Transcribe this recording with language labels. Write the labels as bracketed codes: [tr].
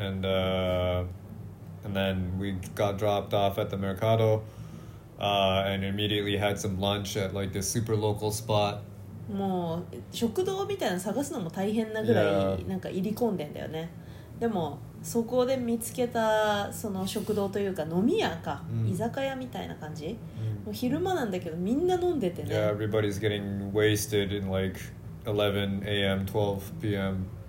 [en] And then we got dropped off at the Mercado and immediately had some lunch at like this super local spot. [ja] もう食堂みたいなの探すのも大変なぐらいなんか入り込んでんだよね。 [en] Yeah. [ja] でもそこで見つけたその食堂というか飲み屋か、居酒屋みたいな感じ。もう昼間なんだけどみんな飲んでてね。 [en] Yeah, everybody's getting wasted in like 11 a.m., 12 p.m.